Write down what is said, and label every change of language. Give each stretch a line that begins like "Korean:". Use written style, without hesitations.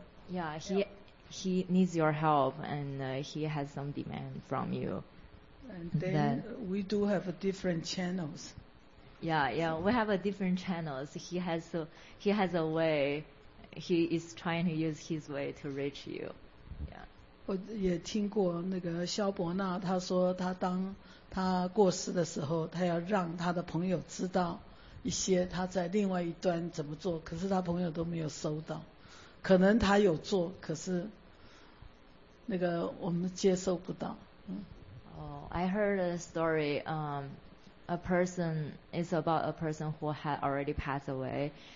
English: Yeah, he needs your help, and he has some demand from you. And then that, we do have a different channels. Yeah, we have a different channels. He has a way... He is trying to use his way to reach you. Yeah.
Chinese: 我也听过那个萧伯纳，他说他当他过世的时候，他要让他的朋友知道一些他在另外一端怎么做，可是他朋友都没有收到。可能他有做，可是那个我们接受不到。
English: Oh, I heard a story. A person is about a person who had already passed away.